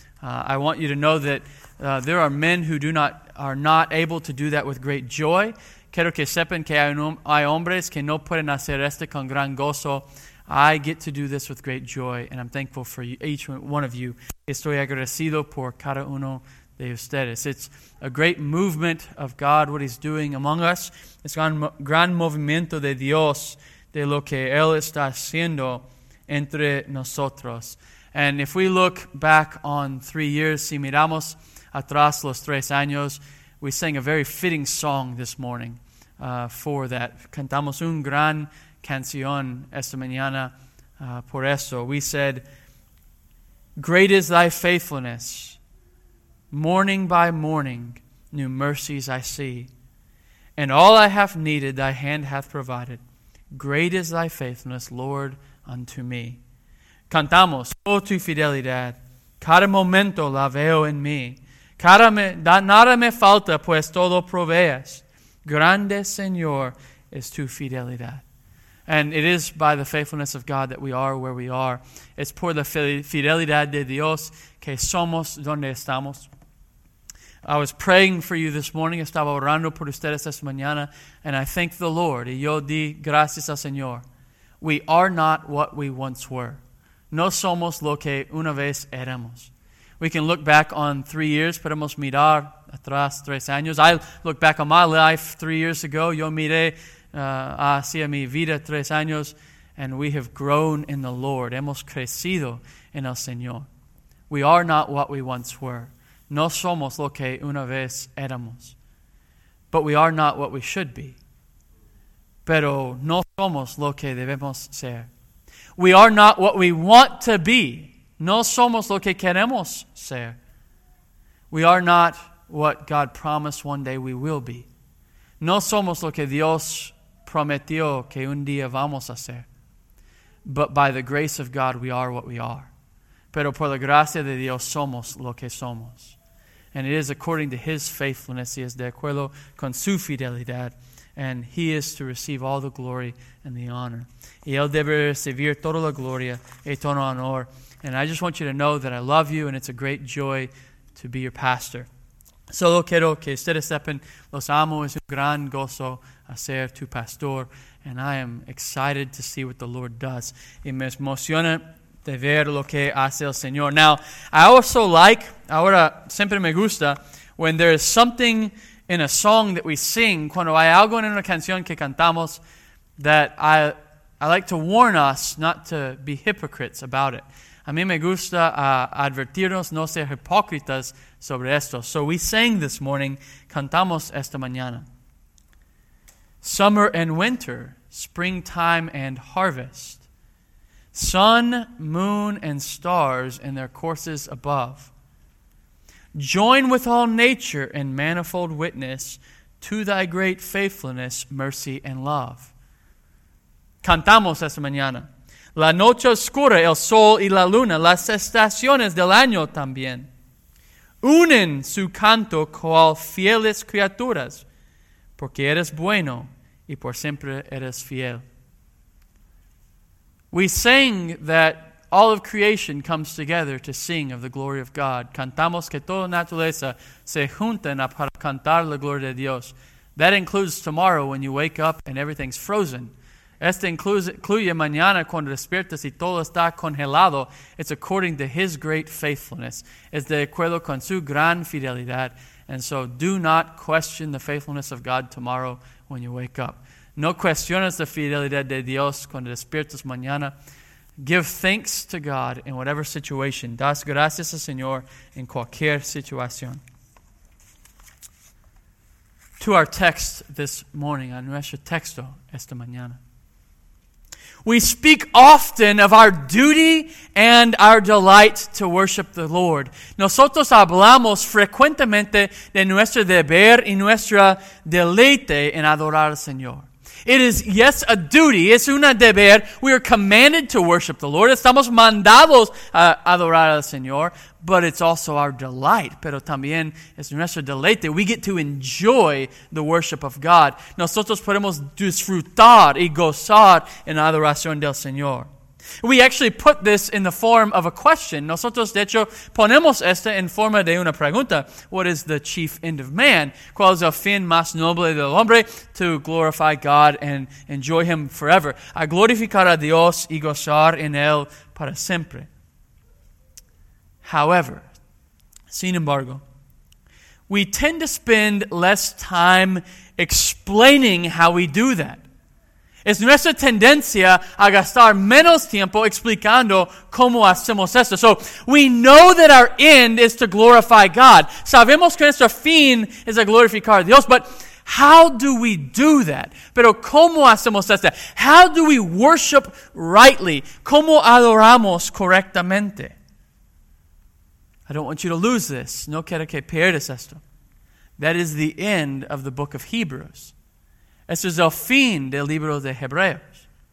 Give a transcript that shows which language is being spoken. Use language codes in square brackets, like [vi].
[en] I want you to know that there are men who are not able to do that with great joy. [es] Quiero que sepan que hay hombres que no pueden hacer esto con gran gozo. [en] I get to do this with great joy, and I'm thankful for you, each one of you. [es] Estoy agradecido por cada uno de ustedes. [en] It's a great movement of God, what He's doing among us. [es] Es un gran movimiento de Dios, de lo que Él está haciendo entre nosotros. [en] And if we look back on 3 years, [es] si miramos atrás los 3 años, [en] we sang a very fitting song this morning for that. [es] Cantamos un gran canción esta mañana por eso. [en] We said, great is thy faithfulness. Morning by morning, new mercies I see. And all I have needed, thy hand hath provided. Great is thy faithfulness, Lord, unto me. [es] Cantamos, oh tu fidelidad, cada momento la veo en mí. Nada me falta, pues todo provees. Grande, Señor, es tu fidelidad. [en] And it is by the faithfulness of God that we are where we are. [es] Es por la fidelidad de Dios que somos donde estamos. [en] I was praying for you this morning. [es] Estaba orando por ustedes esta mañana. [en] And I thank the Lord. [es] Y yo di gracias al Señor. [en] We are not what we once were. [es] No somos lo que una vez éramos. [en] We can look back on 3 years. [es] Podemos mirar atrás 3 años. [en] I look back on my life 3 years ago. [es] Yo miré hacia mi vida 3 años. [en] And we have grown in the Lord. [es] Hemos crecido en el Señor. [en] We are not what we once were. [es] No somos lo que una vez éramos. [en] But we are not what we should be. [es] Pero no somos lo que debemos ser. [en] We are not what we want to be. [es] No somos lo que queremos ser. [en] We are not what God promised one day we will be. [es] No somos lo que Dios prometió que un día vamos a ser. [en] But by the grace of God, we are what we are. [es] Pero por la gracia de Dios, somos lo que somos. [en] And it is according to His faithfulness. [es] Y es de acuerdo con su fidelidad. [en] And He is to receive all the glory and the honor. [es] Y Él debe recibir toda la gloria y todo honor. [en] And I just want you to know that I love you, and it's a great joy to be your pastor. [es] Solo quiero que ustedes sepan, los amo, es un gran gozo ser tu pastor, [en] and I am excited to see what the Lord does. [es] Y me emociona de ver lo que hace el Señor. [en] Now, I also like, [es] ahora siempre me gusta, [en] when there is something in a song that we sing, [es] cuando hay algo en una canción que cantamos, [en] that I like to warn us not to be hypocrites about it. [es] A mí me gusta advertirnos no ser hipócritas sobre esto. [en] So we sang this morning, [es] cantamos esta mañana. [en] Summer and winter, springtime and harvest. Sun, moon, and stars in their courses above. Join with all nature in manifold witness to thy great faithfulness, mercy, and love. [es] Cantamos esta mañana. La noche oscura, el sol y la luna, las estaciones del año también, unen su canto cual fieles criaturas, porque eres bueno y por siempre eres fiel. [en] We sing that all of creation comes together to sing of the glory of God. [es] Cantamos que toda naturaleza se junta para cantar la gloria de Dios. [en] That includes tomorrow when you wake up and everything's frozen. [es] Este incluye mañana cuando despiertas y todo está congelado. [en] It's according to His great faithfulness. [es] Es de acuerdo con su gran fidelidad. [en] And so do not question the faithfulness of God tomorrow when you wake up. [es] No cuestiones la fidelidad de Dios cuando despiertas mañana. [en] Give thanks to God in whatever situation. [es] Das gracias al Señor en cualquier situación. [en] To our text this morning, [es] a nuestro texto esta mañana. [en] We speak often of our duty and our delight to worship the Lord. [es] Nosotros hablamos frecuentemente de nuestro deber y nuestro deleite en adorar al Señor. [en] It is, yes, a duty. [es] Es un deber. [en] We are commanded to worship the Lord. [es] Estamos mandados a adorar al Señor. [en] But it's also our delight. [es] Pero también es nuestro deleite. [en] We get to enjoy the worship of God. [es] Nosotros podemos disfrutar y gozar en adoración del Señor. [en] We actually put this in the form of a question. [es] Nosotros, de hecho, ponemos esta en forma de una pregunta. [en] What is the chief end of man? [es] ¿Cuál es el fin más noble del hombre? [en] To glorify God and enjoy Him forever. [es] A glorificar a Dios y gozar en Él para siempre. [en] However, [es] sin embargo, [en] we tend to spend less time explaining how we do that. [es] Es nuestra tendencia a gastar menos tiempo explicando cómo hacemos esto. [en] So, we know that our end is to glorify God. [es] Sabemos que nuestro fin es a glorificar a Dios, [en] but how do we do that? [es] Pero cómo hacemos esto? [en] How do we worship rightly? [es] ¿Cómo adoramos correctamente? [en] I don't want you to lose this. [es] No quiero que pierdas esto. [en] That is the end of the book of Hebrews. [es] Este es el fin del libro de Hebreos.